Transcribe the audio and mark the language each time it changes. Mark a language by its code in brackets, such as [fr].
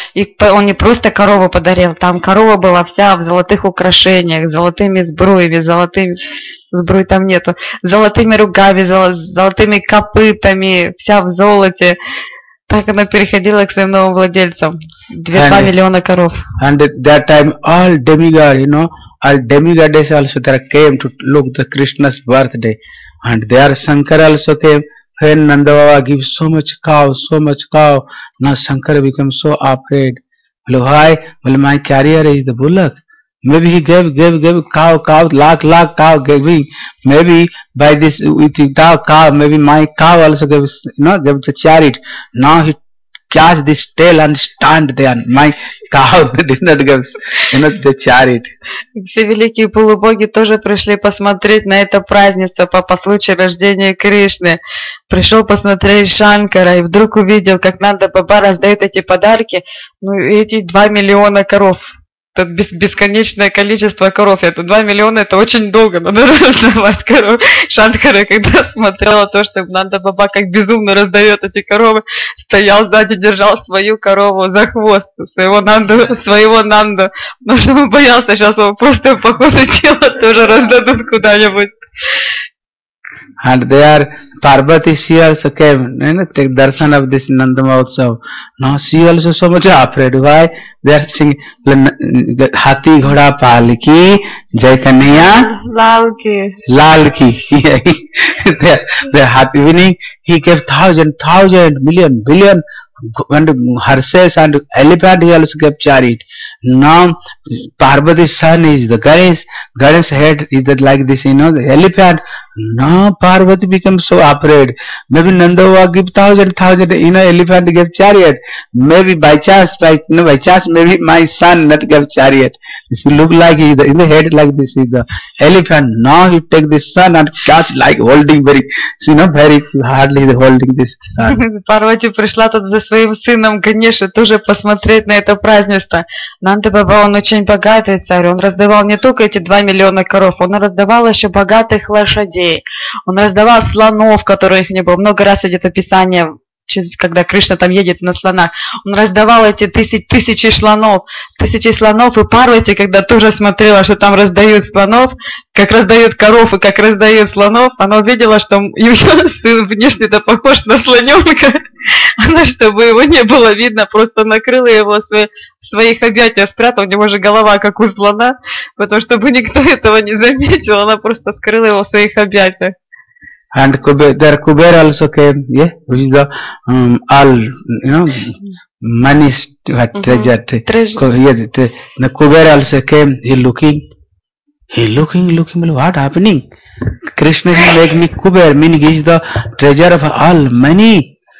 [ru] И он не просто корову подарил, там корова была вся в золотых украшениях, с золотыми сбруями, с золотыми рогами, золотыми копытами, вся в золоте. Так она переходила к своим новым владельцам. 2 миллиона коров. [en] And at that time all demigods, you know, all demigods also there came to look the Krishna's birthday. And there Shankara also came. When Nanda Baba gives so much cow, now Shankara becomes so afraid. Well, my carrier is the bullock. Maybe he gave cow, lakh cow giving. Maybe by this, with the cow, maybe my cow also gave, you know, gave the chariot. Now he catch this tail and stand there. My cow did not give, you know, the chariot. [ru] Все великие полубоги тоже пришли посмотреть на это праздницу по случаю рождения Кришны. Пришел посмотреть Шанкара и вдруг увидел, как Нанда Баба раздает эти подарки. Ну, эти 2 миллиона коров. Это бесконечное количество коров. Это 2 миллиона, это очень долго. Надо раздавать коров. Шанкара, когда смотрела то, что Нанда Баба как безумно раздает эти коровы, стоял сзади, держал свою корову за хвост, своего Нанду. Потому что он боялся, сейчас его просто по ходу тела тоже раздадут куда-нибудь. [en] And there, Parvati, she also came, you know, take darshan of this Nanda Mahotsav. Now she also so much afraid. Why? They are singing [hi] Hati Ghoda Paliki Jai Kanhaiya Lal Ki. [en] They are happy winning. He gave thousand, million and horses and elephant. He also gave chariot. Now Parvati's son is the Ganesh. Ganesh head is that like this, you know, the elephant. Now Parvati becomes so afraid. Maybe Nanda Baba give thousand, you know, elephant gave chariot. Maybe by chance, maybe my son not gave chariot. This look like he in the head like this is the elephant. Now he take this son and catch like holding very, you know, very hardly holding this son. [ru] Parvati пришла тут за своим сыном Ганеша тоже посмотреть на это празднество. Нанда Баба, он очень богатый царь. Он раздавал не только эти 2 миллиона коров, он раздавал еще богатых лошадей. Он раздавал слонов, которых не было. Много раз идет описание, когда Кришна там едет на слонах. Он раздавал эти тысячи слонов. И Парвати, когда тоже смотрела, что там раздают слонов, как раздают коров и как раздают слонов, она увидела, что ее сын внешне-то похож на слоненка. Она, чтобы его не было видно, просто накрыла его в своих объятиях, спрятала, у него же голова как у слона, потому что никто этого не заметил, она просто скрыла его в своих объятиях. [en] And there Kuber also came, yeah, which is the all, you know, money, what, treasure. Yeah, Kuber also came, he looking, what happening? Krishna is making me Kuber, meaning he is the treasure of all money.